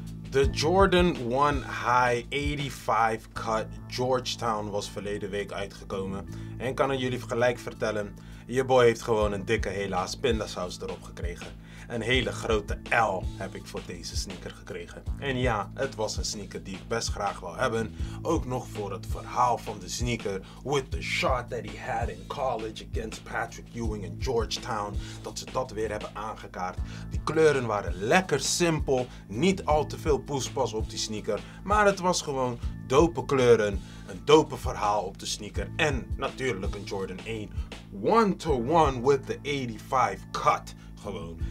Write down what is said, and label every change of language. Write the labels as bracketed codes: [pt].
[nl] De Jordan 1 High 85 Cut Georgetown was verleden week uitgekomen. En kan ik jullie gelijk vertellen, je boy heeft gewoon een dikke helaas pindasaus erop gekregen. Een hele grote L heb ik voor deze sneaker gekregen. En ja, het was een sneaker die ik best graag wil hebben. Ook nog voor het verhaal van de sneaker. [en] With the shot that he had in college against Patrick Ewing in Georgetown. [nl] Dat ze dat weer hebben aangekaart. Die kleuren waren lekker simpel. Niet al te veel poespas op die sneaker. Maar het was gewoon dope kleuren. Een dope verhaal op de sneaker. En natuurlijk een Jordan 1. [en] One-to-one with the 85 cut. [nl] Gewoon.